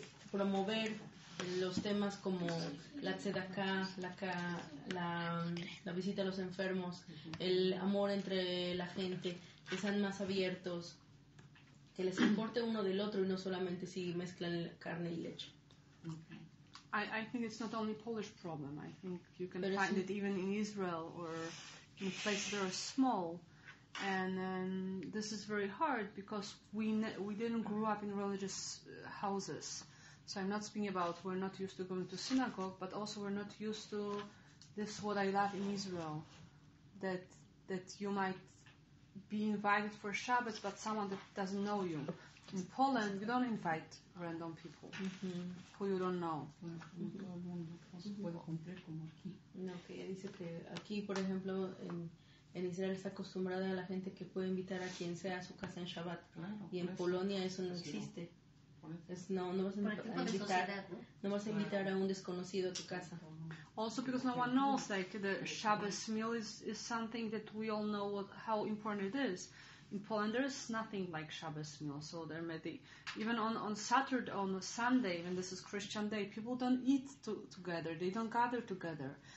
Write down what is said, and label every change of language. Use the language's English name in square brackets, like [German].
[Spanish] promover los temas como la tzedaká, la visita a los enfermos, el amor entre la gente, que sean más abiertos, que les importe uno del otro y no solamente si mezclan carne y leche. [English] Okay. I think it's not only Polish problem. I think you can find it even in Israel or in places that are small. And this is very hard because we didn't grow up in religious houses. So I'm not speaking about we're not used to going to synagogue, but also we're not used to this, what I love in Israel, that you might be invited for Shabbat, but someone that doesn't know you. In Poland, you don't invite random people mm-hmm. who you don't know. [Spanish] No, que ella dice que aquí, por ejemplo, en Israel está acostumbrada a la gente que puede invitar a quien sea a su casa en Shabbat. Claro, y en Polonia eso no existe. No vas a invitar a un desconocido a tu casa. [English] Also because no one knows, like the Shabbos meal is something that we all know how important it is. In Poland there is nothing like Shabbos meal, so there may be, even on Saturday, on a Sunday, when this is Christian day, people don't eat together, they don't gather together.